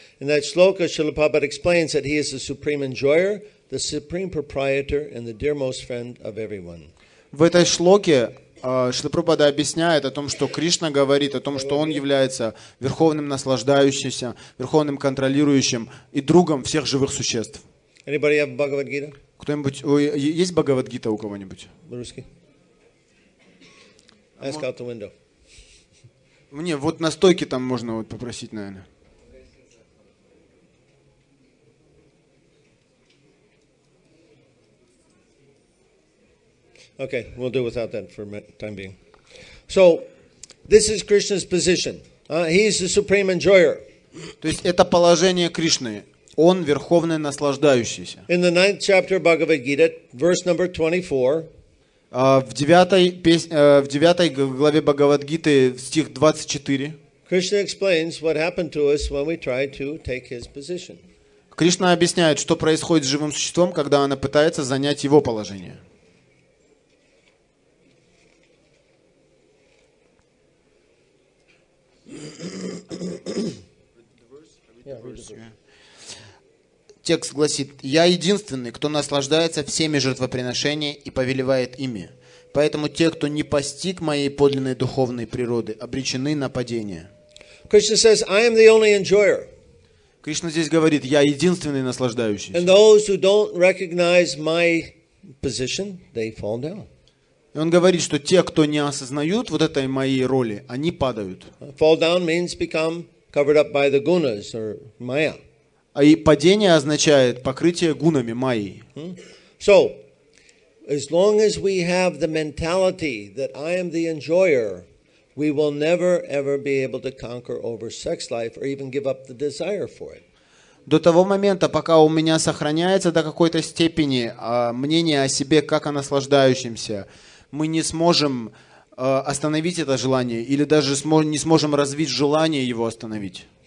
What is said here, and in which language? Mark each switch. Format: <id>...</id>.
<en>In that shloka, Srila Prabhupada explains that he is the supreme enjoyer, the supreme proprietor, and the dearmost friend of everyone.</en> <ru>В этой шлоке Шрила Прабхупада объясняет о том, что Кришна говорит о том, что он является верховным наслаждающимся, верховным контролирующим и другом всех живых существ.</ru> <en>Anybody have Bhagavad Gita?</en> <ru>Кто-нибудь есть Бхагавад Гита у кого-нибудь? Русский.</ru> <en>Ask out the window.</en> <ru>Мне вот на стойке там можно вот попросить, наверное.</ru> <en>Okay, we'll do without that for time being. So, this is Krishna's position. He is the supreme enjoyer.</en> <ru>То есть это положение Кришны. Он верховный наслаждающийся.</ru> <en>In the ninth chapter of Bhagavad Gita, verse number 24.</en> <ru>В девятой главе Бхагавад-гиты, стих 24.</ru> <en>Krishna explains what happened to us when we try to take his position.</en> <ru>Кришна объясняет, что происходит с живым существом, когда оно пытается занять его положение. Текст гласит: «Я единственный, кто наслаждается всеми жертвоприношениями и повелевает ими. Поэтому те, кто не постиг моей подлинной духовной природы, обречены на падение».</ru> <en>Krishna says, I am the only enjoyer.</en> <ru>Кришна здесь говорит: «Я единственный наслаждающийся».</ru> <en>And those who don't recognize my position, they fall down.</en> <ru>И он говорит, что те, кто не осознают вот этой моей роли, они падают.</ru> <en>Fall down means become covered up by the gunas or maya.</en> <ru>А и падение означает покрытие гунами, майей.</ru> <en>So, as long as we have the mentality that I am the enjoyer, we will never ever be able to conquer over sex life or even give up the desire for it.</en> <ru>До того момента, пока у меня сохраняется до какой-то степени мнение о себе как о наслаждающемся, мы не сможем остановить это желание или даже не сможем развить желание его остановить.</ru>